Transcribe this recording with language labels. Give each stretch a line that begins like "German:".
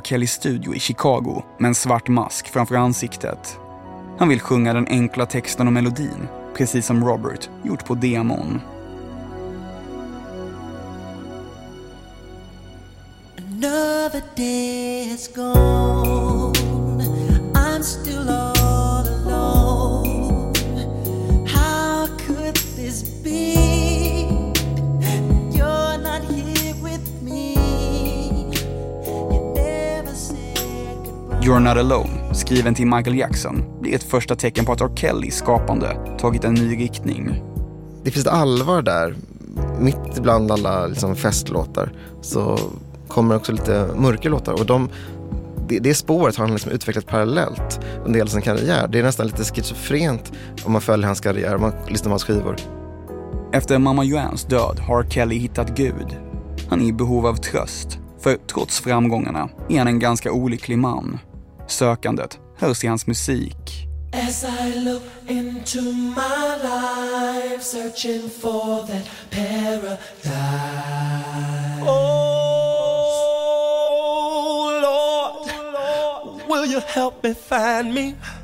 Swedish: Kellys studio i Chicago med en svart mask framför ansiktet. Han vill sjunga den enkla texten och melodin, precis som Robert gjort på demon.
English: Another day has gone, I'm still all alone. How could this be?
Swedish: You're Not Alone, skriven till Michael Jackson, blir ett första tecken på att R. Kellys skapande tagit en ny riktning. Det finns allvar där. Mitt bland alla liksom festlåtar så kommer också lite mörka låtar. Och det spåret har han liksom utvecklat parallellt under hela sin karriär. Det är nästan lite schizofrent om man följer hans karriär, om man lyssnar på hans skivor. Efter Mama Joannes död har R. Kelly hittat Gud. Han är i behov av tröst. För trots framgångarna är han en ganska olycklig man. Sökandet hörs i hans musik.
English: As I look into my life, searching for that paradise. Oh Lord, will you help me find me?